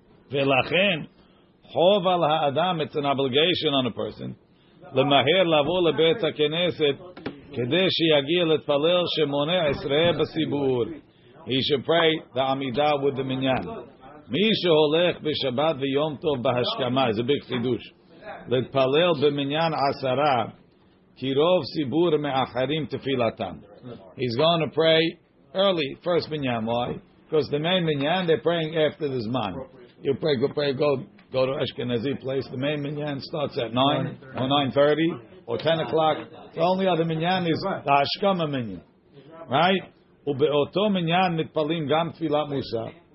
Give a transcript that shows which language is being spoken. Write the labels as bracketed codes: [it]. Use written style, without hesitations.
[he] ולכן חוב על האדם [en] it's an obligation on a person [he] למהר לבוא לבית הכנסת כדי שיגיע להתפלל שמונה עשרה בסיבור [en] he should pray the עמידה with the minyan [he] מי שהולך בשבת ויום טוב בהשכמה, זה בקפידוש, להתפלל במניין עשרה, כי רוב סיבור מאחרים תפילתם. [en] He's going to pray early, first minyan, why? Because the main minyan, they're praying after the zman. You pray, go to Ashkenazi place, the main minyan starts at 9, or 9:30, or 10 o'clock. The only other minyan is the Hashkama minyan. Right? [he] ובאותו מניין מתפלים גם תפילת מוסף.